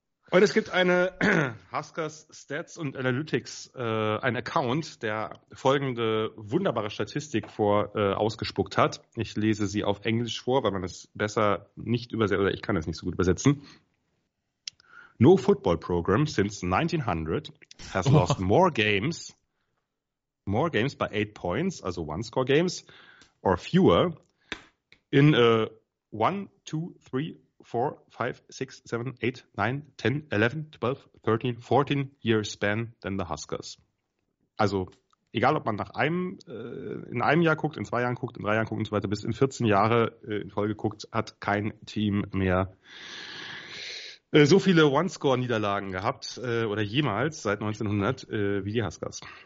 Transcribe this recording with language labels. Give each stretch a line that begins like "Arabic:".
German: Und es gibt eine Huskers Stats und Analytics, ein Account, der folgende wunderbare Statistik vor ausgespuckt hat. Ich lese sie auf Englisch vor, weil man es besser nicht übersetzt, oder ich kann es nicht so gut übersetzen.
English: No football program since 1900 has lost more games by 8 points, also one score games, or fewer in 1, 2, 3, 4, 5, 6, 7, 8, 9, 10, 11, 12, 13, 14 year span than the Huskers.
German: Also, egal ob man nach einem, in einem Jahr guckt, in 2 Jahren guckt, in 3 Jahren guckt und so weiter, bis in 14 Jahre in Folge guckt, hat kein Team mehr so viele One-Score-Niederlagen gehabt, oder jemals seit 1900, wie die Huskers.